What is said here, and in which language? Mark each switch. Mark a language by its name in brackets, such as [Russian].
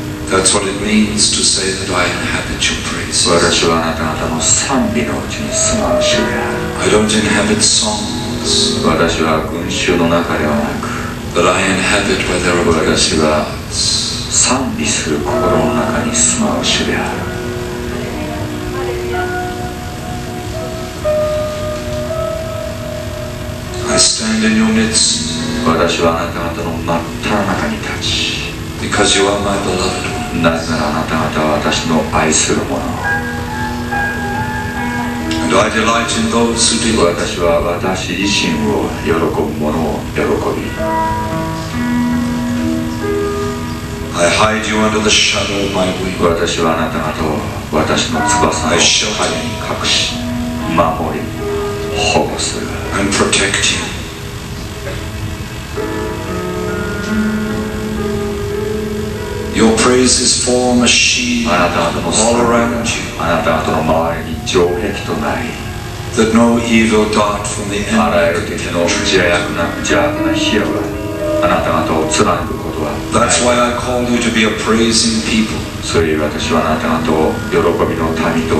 [English] That's what it means to say that I inhabit your praises. [Japanese] 私はあなた方の賛美のうちに住まう主である。 [English] I don't inhabit songs. [Japanese] 私は群衆の中ではなく、 [English] But I inhabit where there are words. [Japanese] 私は賛美する心の中に住まう主である。 [English] Stand in your midst. [Japanese] 私はあなた方の真っ只中に立ち。 [English] Because you are my beloved one. [Japanese] なぜならあなた方は私の愛するもの。 [English] And I delight in those who delight. [Japanese] 私は私自身を喜ぶものを喜び。 [English] I hide you under the shadow of my wings. [Japanese] 私はあなた方を私の翼の影に隠し、守り、保護する。 [English] And protect you. Your praises form a shield all around you. [Japanese] あなた方の周りに城壁となり、 [English] that no evil dart from the enemy. [Japanese] あらゆる敵の邪悪な火はあなた方を貫くことはない。 [English] That's why I call you to be a praising people. [Japanese] それゆえ私はあなた方を喜びの民と、